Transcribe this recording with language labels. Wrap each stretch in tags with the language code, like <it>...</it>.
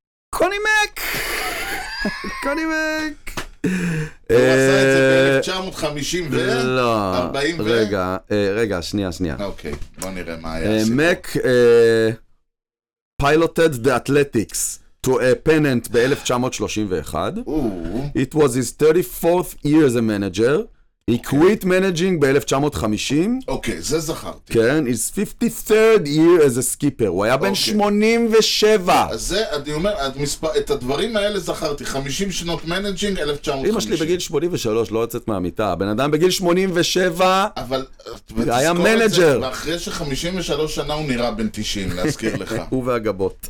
<he>קוני מק! קוני מק! הוא עשה את זה ב-1950 ו... לא, 40 רגע, רגע, שנייה. אוקיי, בוא נראה מה היה.</he> <en>מק פיילוטד דה אתלטיקס to a pennant ב-1931. It was his 34th year as a manager. He quit managing ב-1950.</en> <he>אוקיי, זה זכרתי.</he> <en>כן, his 53rd year as a skipper.</en> <he>הוא היה בן 87. אז זה, אני אומר, את הדברים האלה זכרתי. 50 שנות managing, 1950. אמא שלי בגיל 83, לא יוצאת מהמיטה. בן אדם בגיל 87, אבל... היה מנג'ר. ואחרי ש-53 שנה הוא נראה בן 90, להזכיר לך. הוא והגבות.</he>